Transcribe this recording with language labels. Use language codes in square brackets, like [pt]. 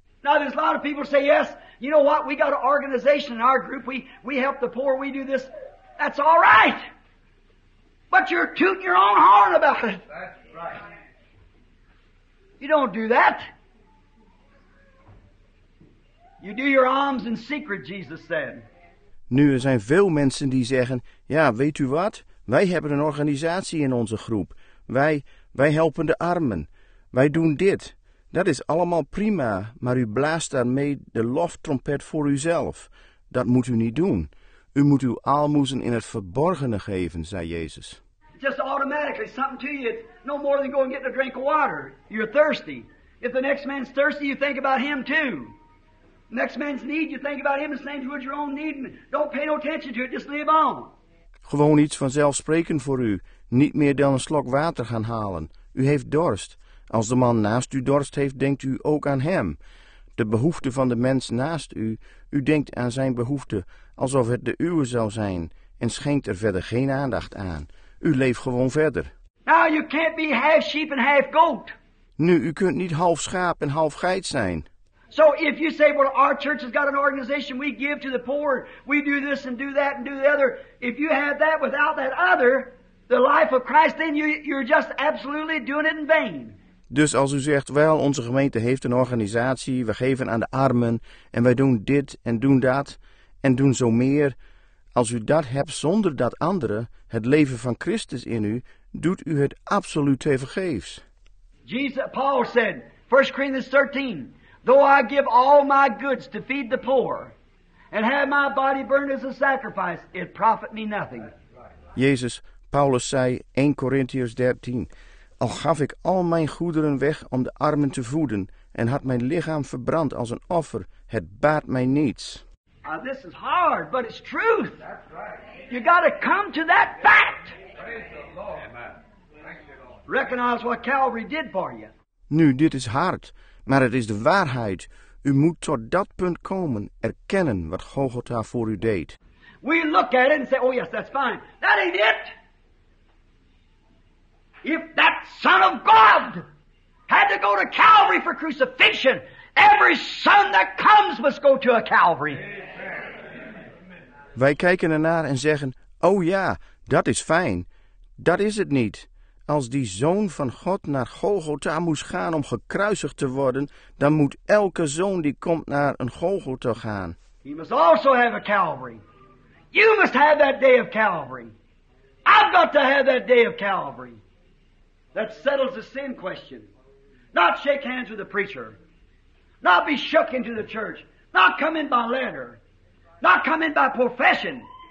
[en] Now there's a lot of people say yes. You know what? We got an organization in our group. We help the poor. We do this. That's all right. But you're tooting your own horn about it. That's right. You don't do that. You do your alms in secret, Jesus said. [nl] Nu, er zijn veel mensen die zeggen, ja, weet u wat? Wij hebben een organisatie in onze groep. Wij helpen de armen. Wij doen dit. Dat is allemaal prima, maar u blaast daarmee de loftrompet voor uzelf. Dat moet u niet doen. U moet uw aalmoezen in het verborgene geven, zei Jezus. [en] Just automatically, something to you, it's no more than going get a drink of water. You're thirsty. If the next man's thirsty, you think about him too. Next man's need, you think about him the same as your own need. Don't pay no attention to it, just live on. [nl] Gewoon iets vanzelfsprekend voor u. Niet meer dan een slok water gaan halen. U heeft dorst. Als de man naast u dorst heeft, denkt u ook aan hem. De behoefte van de mens naast u, u denkt aan zijn behoefte, alsof het de uwe zou zijn, en schenkt er verder geen aandacht aan. U leeft gewoon verder. [en] Now you can't be half sheep and half goat. [nl] Nu, u kunt niet half schaap en half geit zijn. [en] So if you say, well, our church has got an organization, we give to the poor, we do this and do that and do the other. If you have that without that other, the life of Christ, then you're just absolutely doing it in vain. [nl] Dus als u zegt, wel, onze gemeente heeft een organisatie, we geven aan de armen en wij doen dit en doen dat en doen zo meer. Als u dat hebt zonder dat andere, het leven van Christus in u, doet u het absoluut tevergeefs. [en] Jesus, Paul said, 1 Corinthians 13, though I give all my goods to feed the poor and have my body burned as a sacrifice, it profit me nothing. [nl] Jezus, Paulus zei, 1 Corinthians 13, al gaf ik al mijn goederen weg om de armen te voeden en had mijn lichaam verbrand als een offer, het baat mij niets. [en] Now this is hard, but it's truth. That's right. You gotta come to that fact. Praise the Lord. Amen. Recognize what Calvary did for you. [nl] Nu, dit is hard, maar het is de waarheid. U moet tot dat punt komen, erkennen wat Golgotha voor u deed. [en] We look at it and say, oh yes, that's fine. That ain't it. If that Son of God had to go to Calvary for crucifixion, every son that comes must go to a Calvary. [nl] Wij kijken ernaar en zeggen, oh ja, dat is fijn. Dat is het niet. Als die Zoon van God naar Golgotha moest gaan om gekruisigd te worden, dan moet elke zoon die komt naar een Golgotha gaan. [en] He must also have a Calvary. You must have that day of Calvary. I've got to have that day of Calvary. That settles the sin question. Not shake hands with the preacher. Not be shook into the church. Not come in by letter. Not come in by profession.